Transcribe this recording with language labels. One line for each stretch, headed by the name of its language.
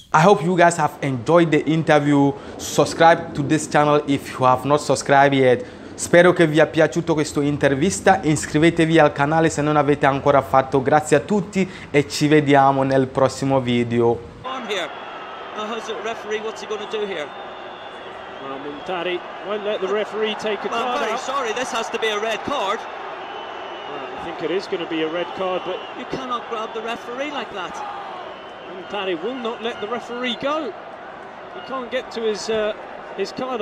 English: I hope you guys have enjoyed the interview. Subscribe to this channel if you have not subscribed yet.
Italian: Spero che vi sia piaciuto questa intervista. Iscrivetevi al canale se non avete ancora fatto. Grazie a tutti e ci vediamo nel prossimo video.
English: I'm here. How's the referee? What's he gonna do here? Well, Muntari won't let the referee take a card. Well, I'm very sorry, this has to be a red card. I think it is going to be a red card, but... You cannot grab the referee like that. Muntari will not let the referee go. He can't get to his card.